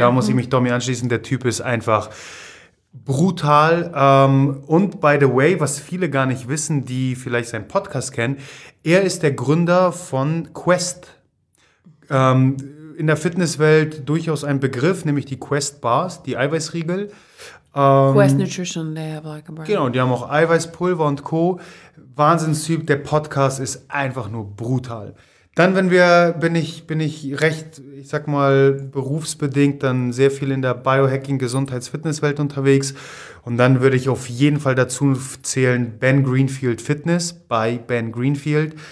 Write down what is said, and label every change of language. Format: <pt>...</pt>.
<de>Da muss ich mich Domi anschließen. Der Typ ist einfach brutal. Und</de> <en>by the way,</en> <de>was viele gar nicht wissen, die vielleicht seinen Podcast kennen, er ist der Gründer von Quest. In der Fitnesswelt durchaus ein Begriff, nämlich die Quest Bars, die Eiweißriegel.</de> <en>Quest Nutrition, they have like a brand.</en> <de>Genau, die haben auch Eiweißpulver und Co. Wahnsinnstyp, der Podcast ist einfach nur brutal. Dann, bin ich berufsbedingt dann sehr viel in der Biohacking-Gesundheits-Fitnesswelt unterwegs. Und dann würde ich auf jeden Fall dazu zählen Ben Greenfield Fitness bei Ben Greenfield.</de>